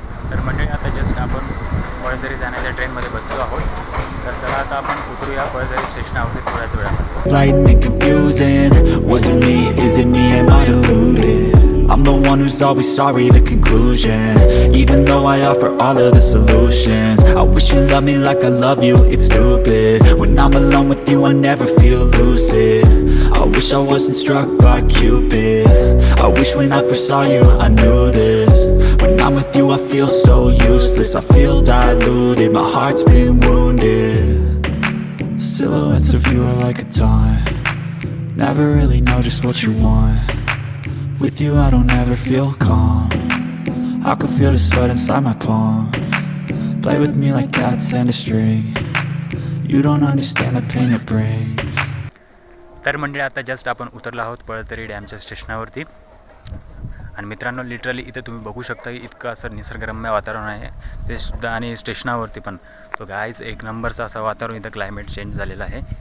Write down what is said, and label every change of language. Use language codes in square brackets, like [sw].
[mr] तर मंडळी, पळसदरी जाण्याच्या ट्रेनमध्ये बसलो आहोत. तर चला आता आपण उतरूया पळसदरी स्टेशनावरती थोड्याच वेळा. [en] Flight me confusing, was it me, is it me, am I deluded? I'm the one who's always sorry, the conclusion. Even though I offer all of the solutions, I wish you loved me like I love you, it's stupid. When I'm alone with you, I never feel lucid. I wish I wasn't struck by Cupid. I wish when I first saw you, I knew this. When I'm with you, I feel so useless. I feel diluted, my heart's been wounded. Silhouettes of you are like a taunt. Never really know just what you want. With you I don't ever feel calm. I can feel the sweat inside my palms. Play with me like cats and a string. You don't understand the pain it brings. [mr] तर मंडळी आता just आपण उतरलो आहोत पळसदरी डॅमच्या स्टेशनावरती. आणि मित्रांनो, literally इथं तुम्ही बघू शकता की इतकं असं निसर्गरम्य वातावरण आहे ते सुद्धा, आणि स्टेशनावरती पण. तो गाईज एक नंबरचं असं वातावरण इथं, क्लायमेट चेंज झालेलं आहे.